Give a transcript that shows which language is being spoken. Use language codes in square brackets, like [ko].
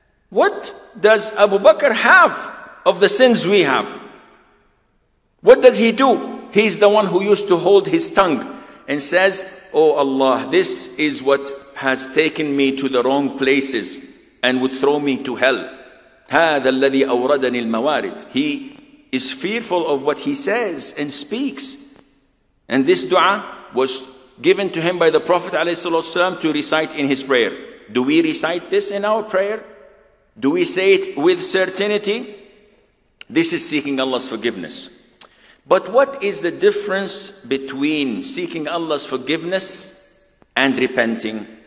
[en] What does Abu Bakr have of the sins we have? What does he do? He's the one who used to hold his tongue and says, oh Allah, this is what has taken me to the wrong places and would throw me to hell. [ar] هذا الذي أوردني الموارد. [en] He is fearful of what he says and speaks. And this dua was given to him by the Prophet ﷺ to recite in his prayer. Do we recite this in our prayer? Do we say it with certainty? This is seeking Allah's forgiveness. But what is the difference between seeking Allah's forgiveness and repenting?